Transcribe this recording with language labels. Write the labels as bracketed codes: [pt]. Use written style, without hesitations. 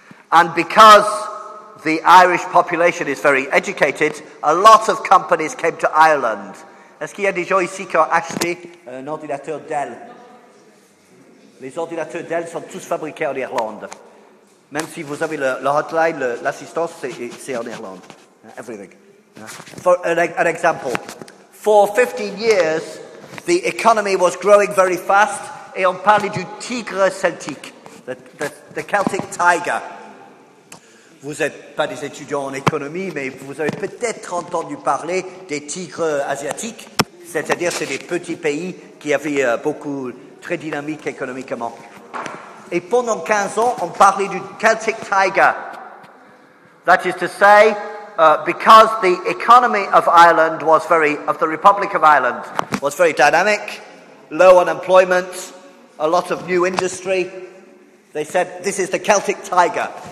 [en] And because the Irish population is very educated, a lot of companies came to Ireland. [fr] Est-ce qu'il y a des gens ici qui ont acheté un ordinateur Dell? Les ordinateurs Dell sont tous fabriqués en Irlande. Même si vous avez le hotline, l'assistance, c'est en Irlande. [en] Everything. For an example. For 15 years, the economy was growing very fast. [fr] Et on parlait du tigre celtique, [en] the Celtic tiger. [fr] Vous n'êtes pas des étudiants en économie, mais vous avez peut-être entendu parler des tigres asiatiques. C'est-à-dire, c'est des petits pays qui avaient beaucoup... très dynamique économiquement. Et pendant 15 ans, on parlait du Celtic Tiger. [en] That is to say, because the economy of Ireland was very, of the Republic of Ireland, was very dynamic, low unemployment, a lot of new industry, they said, this is the Celtic Tiger.